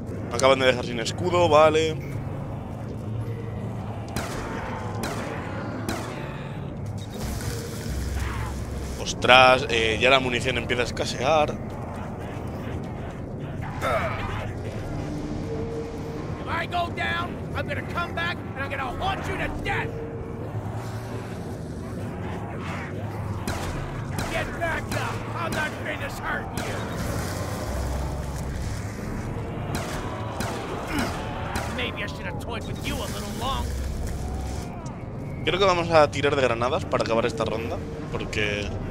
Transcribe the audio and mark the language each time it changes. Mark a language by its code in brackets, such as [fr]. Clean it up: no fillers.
[es] Me acaban de dejar sin escudo, vale. Ostras, ya la munición empieza a escasear. [en] If I go down, I'm gonna come back and I'm gonna haunt you to death. Get back up. I'm not gonna hurt you. Maybe I should have toyed with you a little longer. [es] Creo que vamos a tirar de granadas para acabar esta ronda, porque.